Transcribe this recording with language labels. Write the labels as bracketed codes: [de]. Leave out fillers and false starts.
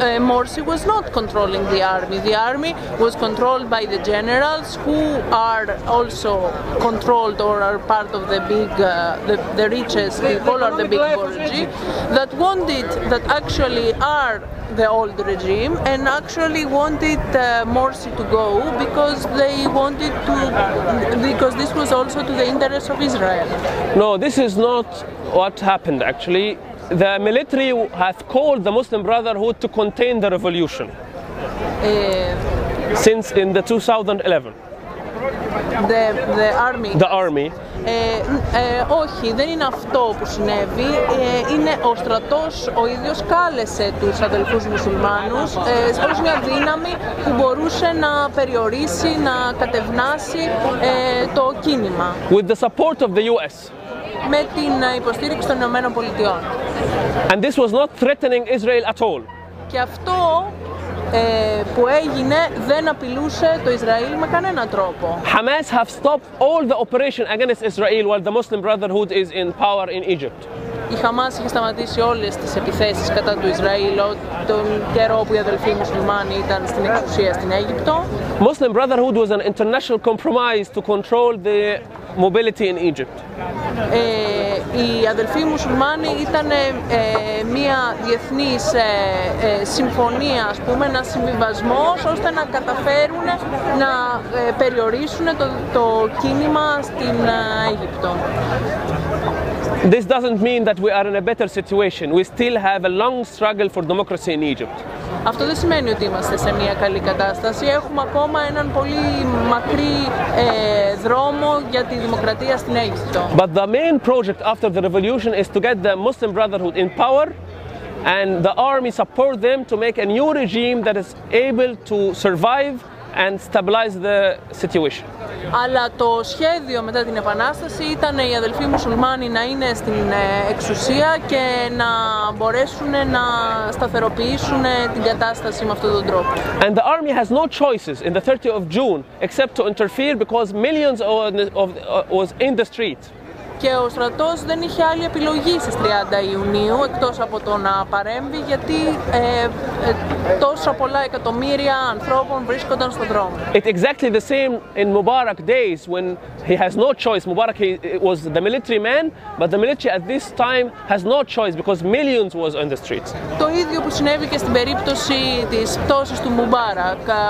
[en] Morsi was not controlling the army. The army was controlled by the generals, who are also controlled or are part of the big, the richest people, or the big bourgeoisie, that wanted, that actually are the old regime, and actually wanted Morsi to go because they wanted to, because this was also to the interest of Israel. No, this is not what happened actually. The military has called the Muslim Brotherhood to contain the revolution since in the 2011. The army. The army. [el] Όχι, δεν είναι αυτό που συνέβη. Είναι ο στρατός ο ίδιος κάλεσε τους αδελφούς μουσουλμάνους ως μια δύναμη που μπορούσε να περιορίσει, να κατευνάσει το κίνημα. [en] With the support of the US. [el] Με την υποστήριξη των Ηνωμένων Πολιτειών. [en] And this was not threatening Israel at all. [el] Και αυτό που έγινε δεν απειλούσε το Ισραήλ με κανένα τρόπο. [en] Hamas have stopped all the operation against Israel while the Muslim Brotherhood is in power in Egypt. [el] η Χαμάς είχε σταματήσει όλες τις επιθέσεις κατά του Ισραήλ τον καιρό που οι αδελφοί μουσουλμάνοι ήταν στην εξουσία στην Αίγυπτο. [en] Muslim Brotherhood was an international compromise to control the mobility in Egypt. [el] Οι αδελφοί μουσουλμάνοι ήταν μια διεθνής συμφωνία, ας πούμε, ένα συμβιβασμός ώστε να καταφέρουν να περιορίσουν το κίνημα στην Αίγυπτο. [en] This doesn't mean that we are in a better situation. We still have a long struggle for democracy in Egypt. [el] Αυτό δεν σημαίνει ότι είμαστε σε μια καλή κατάσταση. Έχουμε ακόμα έναν πολύ μακρύ δρόμο για τη δημοκρατία στην Αίγυπτο. [en] But the main project after the revolution is to get the Muslim Brotherhood in power and the army support them to make a new regime that is able to survive and stabilize the situation. [el] Αλλά το σχέδιο μετά την επανάσταση ήταν οι αδελφοί μουσουλμάνοι να είναι στην εξουσία και να μπορέσουν να σταθεροποιήσουν την κατάσταση με αυτόν τον τρόπο. [en] And the army has no choices in the 30th of June except to interfere because millions was in the street. [el] Και ο στρατός δεν είχε άλλη επιλογή στις 30 Ιουνίου εκτός από το να παρέμβει γιατί τόσα πολλά εκατομμύρια ανθρώπων βρίσκονταν στον δρόμο. [en] It's exactly the same in Mubarak days when he has no choice. Mubarak was the military man, but the military at this time has no choice because millions was on the streets. [el] Το ίδιο που συνέβη και στην περίπτωση της πτώσης του Μουμπάρακ.